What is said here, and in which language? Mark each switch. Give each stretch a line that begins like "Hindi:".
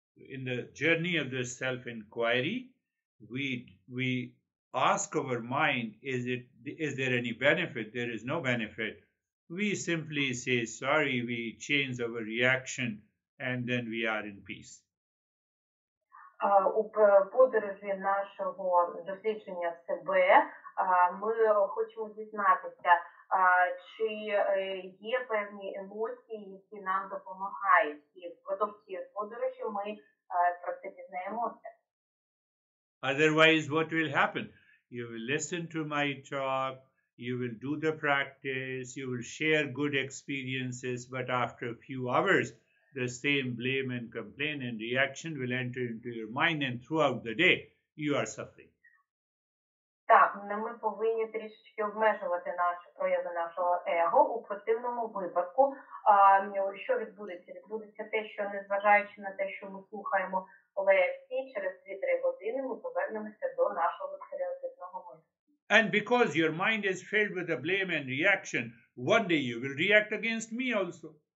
English: In the journey of the self-inquiry, we ask our mind, is there any benefit? There is no benefit. We simply say sorry, we change our reaction, and then we are in peace.
Ukrainian: У подорожі нашого дослідження себе ми хочемо дізнатися, чи є певні емоції, які нам допомагають. І впродовж цієї подорожі ми про це дізнаємося.
English: Otherwise, what will happen? You will listen to my talk, you will do the practice, you will share good experiences, but after a few hours, the same blame and complaint and reaction will enter into your mind, and throughout the day, you are suffering.
Ukrainian: Так, ми повинні трішечки обмежувати нашу прояву нашого его. У противному випадку, що відбудеться? Відбудеться те, що незважаючи на те, що ми слухаємо лекції, через 2-3 години ми повернемося до нашого стереотипного мислення.
English: And because your mind is filled with the blame and reaction, one day you will react against me also.